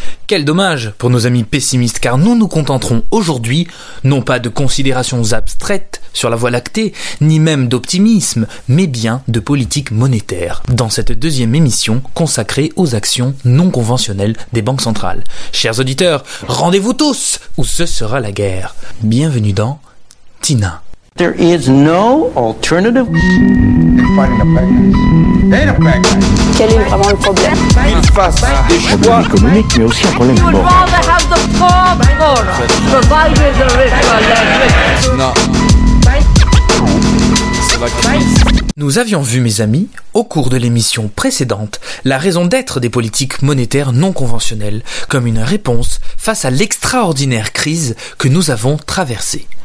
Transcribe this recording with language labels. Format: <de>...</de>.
<fr>Quel dommage pour nos amis pessimistes, car nous nous contenterons aujourd'hui, non pas de considérations abstraites sur la Voie lactée, ni même d'optimisme, mais bien de politique monétaire, dans cette deuxième émission consacrée aux actions non conventionnelles des banques centrales. Chers auditeurs, rendez-vous tous, ou ce sera la guerre. Bienvenue dans Tina.</fr> <en>There is no alternative.</en> <fr>Quel est vraiment le problème? Il fasse des choix économiques, mais aussi un problème de mort. Nous avions vu, mes amis, au cours de l'émission précédente, la raison d'être des politiques monétaires non conventionnelles comme une réponse face à l'extraordinaire crise que nous avons traversée.</fr>